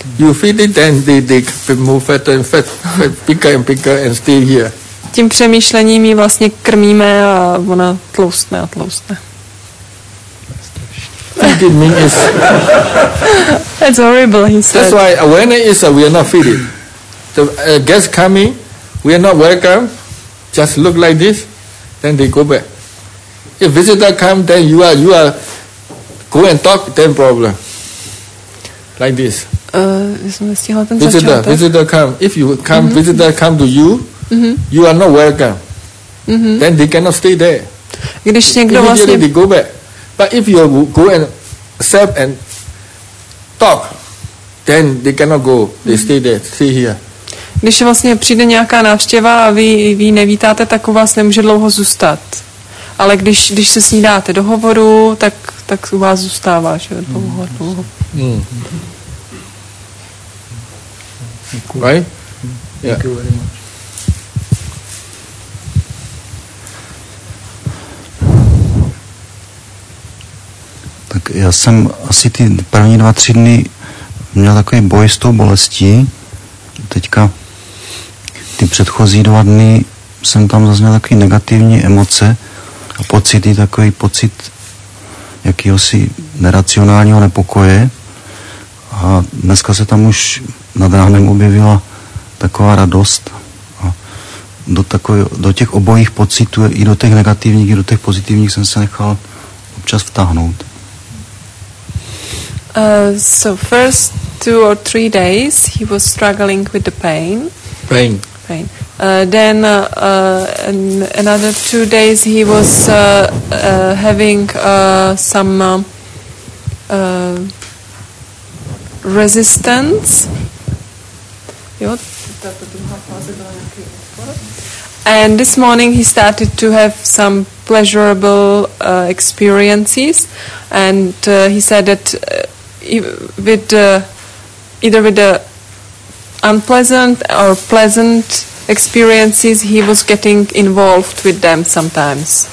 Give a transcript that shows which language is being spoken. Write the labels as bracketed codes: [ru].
[en] You feed it, then they move fatter and fatter, bigger and bigger, and stay here. [cs] Tím přemýšlením ji vlastně krmíme a ona tloustne a tloustne. [en] Thinking means is. That's horrible, he said. That's why awareness is that we are not feeding. The guests coming, we are not welcome. Just look like this, then they go back. If visitor come, then you are. Go and talk, then problem. Like this. Visitor come. If you come, visitor come to you, you are not welcome. Then they cannot stay there. [cs] Když někdo [en] immediately they go back. But if you go and accept and talk, then they cannot go. They stay there, stay here. [cs] Když vlastně přijde nějaká návštěva a vy nevítáte, tak u vás nemůže dlouho zůstat. Ale když se s ní dáte do hovoru, tak u vás zůstává, že dlouho. [en] Right? Yeah. Thank you very much. [cs] Tak já jsem asi ty první 2-3 dny měl takový boj s tou bolestí. Teďka ty předchozí 2 dny jsem tam zazněl takový negativní emoce a pocity, takový pocit jakýhosi neracionálního nepokoje. A dneska se tam už nad ránem objevila taková radost. A do těch obojích pocitů, i do těch negativních, i do těch pozitivních, jsem se nechal občas vtáhnout. [en] So first 2 or 3 days he was struggling with the pain. Pain. Pain. Then another 2 days he was having some resistance. [cs] Jo, ta druhá fáze byla nějaký odpor. [en] And this morning he started to have some pleasurable experiences, and he said that either with the unpleasant or pleasant experiences, he was getting involved with them sometimes.